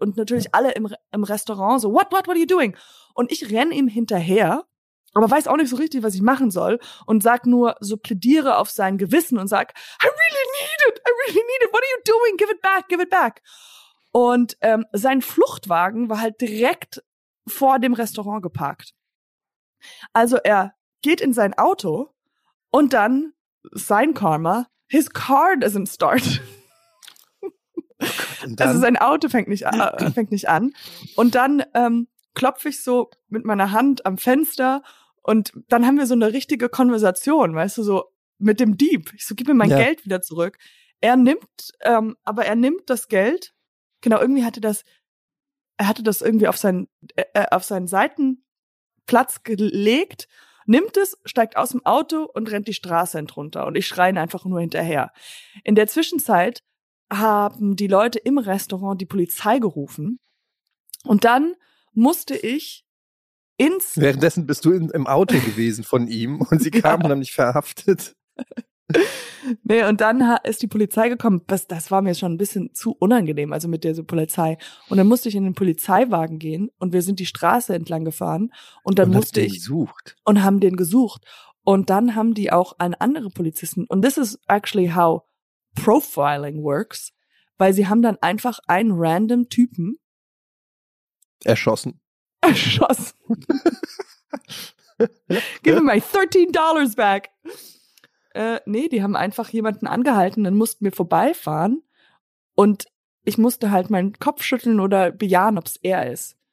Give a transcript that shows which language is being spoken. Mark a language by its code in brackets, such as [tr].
[de] Und natürlich alle im Restaurant so, [en] what are you doing? [de] Und ich renne ihm hinterher, aber weiß auch nicht so richtig, was ich machen soll und sag nur, so plädiere auf sein Gewissen und sag, [en] I really need it, what are you doing? Give it back. [de] Und sein Fluchtwagen war halt direkt vor dem Restaurant geparkt. Also er geht in sein Auto. Und dann, sein Karma, [en] his car doesn't start. [de] Also sein Auto fängt nicht an. Und dann klopfe ich so mit meiner Hand am Fenster und dann haben wir so eine richtige Konversation, weißt du, so mit dem Dieb. Ich so, gib mir mein Geld wieder zurück. Er nimmt das Geld. Genau, irgendwie hatte er das irgendwie auf seinen Seitenplatz gelegt. Nimmt es, steigt aus dem Auto und rennt die Straße entrunter. Und ich schreie einfach nur hinterher. In der Zwischenzeit haben die Leute im Restaurant die Polizei gerufen. Und dann musste ich ins... Währenddessen bist du im Auto gewesen von ihm und sie kamen dann nicht verhaftet. Nee, und dann ist die Polizei gekommen. Das war mir schon ein bisschen zu unangenehm, also mit der Polizei. Und dann musste ich in den Polizeiwagen gehen und wir sind die Straße entlang gefahren. Und dann musste ich... Und haben den gesucht. Und dann haben die auch einen anderen Polizisten... [en] Und this is actually how profiling works. [de] Weil sie haben dann einfach einen random Typen... Erschossen. [en] Give me my $13 back. [de] Nee, die haben einfach jemanden angehalten, dann mussten wir vorbeifahren und ich musste halt meinen Kopf schütteln oder bejahen, ob es er ist.